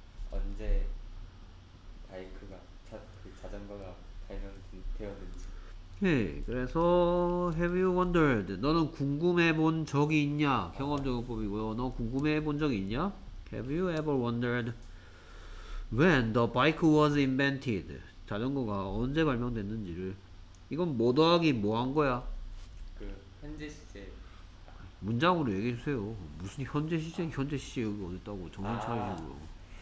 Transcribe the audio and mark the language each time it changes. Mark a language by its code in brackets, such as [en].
[ko] 언제 바이크가 그 자전거가 발명되었는지. [en] 오케이, [ko] 그래서 [en] Have you wondered? [ko] 너는 궁금해 본 적이 있냐? 경험 적용법이고요. 너 궁금해 본 적이 있냐? [en] Have you ever wondered when the bike was invented? [ko] 자전거가 언제 발명됐는지를. 이건 뭐 더하기 뭐 한 거야? 그 현재 시제 문장으로 얘기해 주세요. 무슨 현재 시제? 아. 현재 시제 여기 어디 있다고 정신 차리시고요.